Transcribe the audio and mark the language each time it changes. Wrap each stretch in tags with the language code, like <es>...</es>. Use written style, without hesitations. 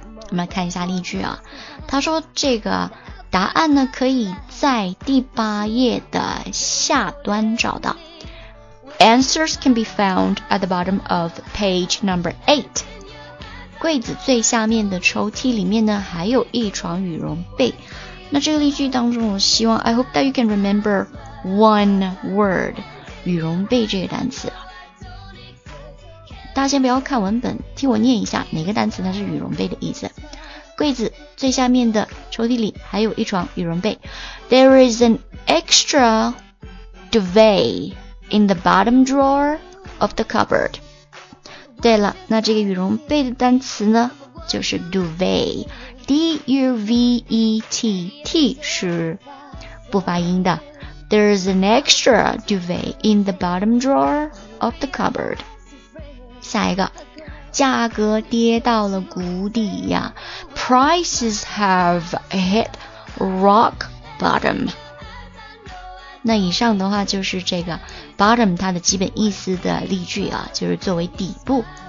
<zh>我们来看一下例句啊，他说这个答案呢可以在第八页的下端找到。</zh> <en>Answers can be found at the bottom of page number 8.</en> <zh>柜子最下面的抽屉里面呢还有一床羽绒被。那这个例句当中我希望</zh> <en>I hope that you can remember one word,</en> <zh>羽绒被这个单词。大家先不要看文本，听我念一下哪个单词它是羽绒被的意思。柜子最下面的抽屉里还有一床羽绒被。</zh> <en>There is an extra duvet in the bottom drawer of the cupboard.</en> <zh>对了，那这个羽绒被的单词呢，就是 duvet, D-U-V-E-T, T 是不发音的。</zh> <en>There's an extra duvet in the bottom drawer of the cupboard.</en> <zh>下一个，价格跌到了谷底呀。</zh> <en>Prices have hit rock bottom.</en> <zh>那以上的话就是这个 bottom 它的基本意思的例句啊，就是作为底部。</zh>